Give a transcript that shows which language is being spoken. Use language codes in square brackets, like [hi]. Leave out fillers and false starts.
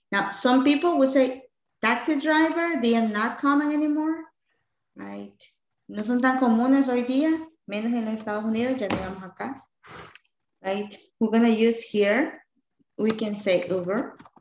[en] Now, some people will say taxi driver, they are not common anymore, right? [es] No son tan comunes hoy día, menos en los Estados Unidos, ya llegamos acá. [en] Right, we're gonna use here, we can say Uber.